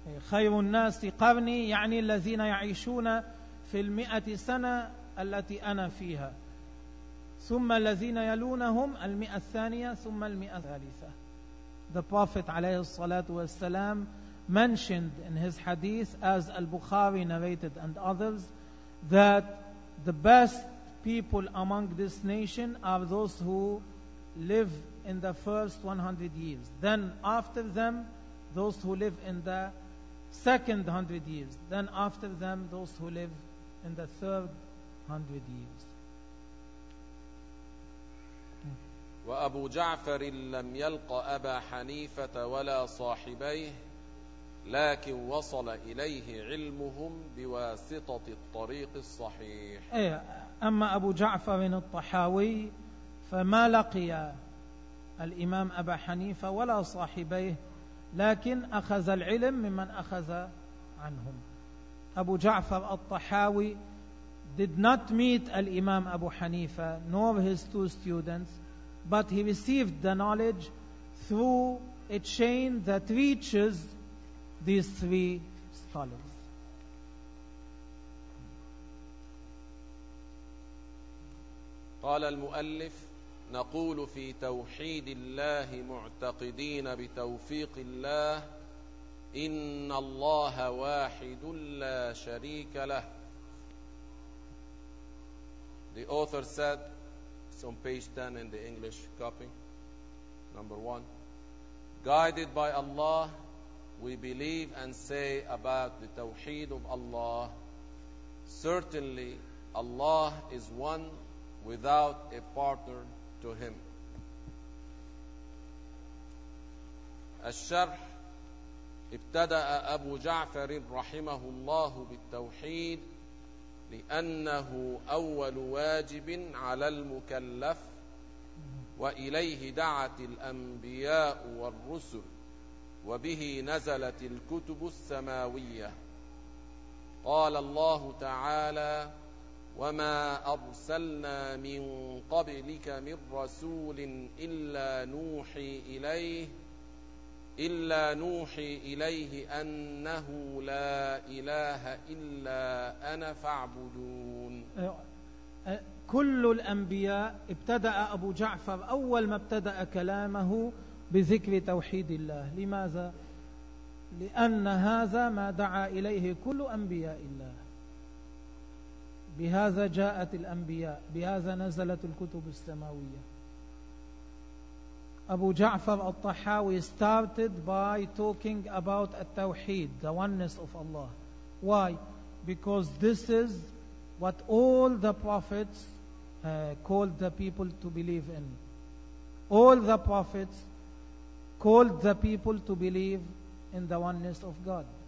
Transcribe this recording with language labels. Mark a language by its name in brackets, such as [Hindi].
[Arabic] خير الناس قرني يعني الذين يعيشون في المئة سنة التي أنا فيها ثم الذين يلونهم المئة الثانية ثم المئة الثالثة. [English] The Prophet [Arabic] عليه الصلاة والسلام [English] mentioned in his hadith, as al-Bukhari narrated and others, that the best people among this nation are those who live in the first 100 years. Then after them, those who live in the second 100 years. Then after them, those who live in the third 100 years. [Arabic] وَأَبُو جَعْفَرٍ لَمْ يَلْقَ أَبَا حَنِيفَةَ وَلَا صَاحِبَيْهِ لَكِنْ وَصَلَ إِلَيْهِ عِلْمُهُمْ بِوَاسِطَةِ الطَّرِيقِ الصَّحِيحِ. أما أبو جعفر الطحاوي فما لقي الإمام أبا حنيفة ولا صاحبيه لكن أخذ العلم ممن أخذ عنهم. [English] أبو جعفر الطحاوي did not meet الإمام أبو حنيفة nor his two students, but he received the knowledge through a chain that reaches these three scholars. [Arabic] قال المؤلف نقول في توحيد الله معتقدين بتوفيق الله إن الله واحد لا شريك له. [English] The author said, it's on page 10 in the English copy, number 1. Guided by Allah, we believe and say about the tawheed of Allah, certainly Allah is one without a partner to him. [Arabic] الشرح ابتدأ أبو جعفر رحمه الله بالتوحيد لأنه أول واجب على المكلف وإليه دعت الأنبياء والرسل وبه نزلت الكتب السماوية. قال الله تعالى وما أرسلنا من قبلك من رسول إلا نوحي إليه أنه لا إله إلا أنا فاعبدون. كل الأنبياء ابتدأ أبو جعفر أول ما ابتدأ كلامه بذكر توحيد الله. لماذا؟ لأن هذا ما دعا إليه كل أنبياء الله. بهذا جاءت الأنبياء، بهذا نزلت الكتب السماوية. [English] أبو جعفر الطحاوي started by talking about التوحيد, the oneness of Allah. Why? Because this is what all the prophets called the people to believe in. All the prophets called the people to believe in the oneness of God.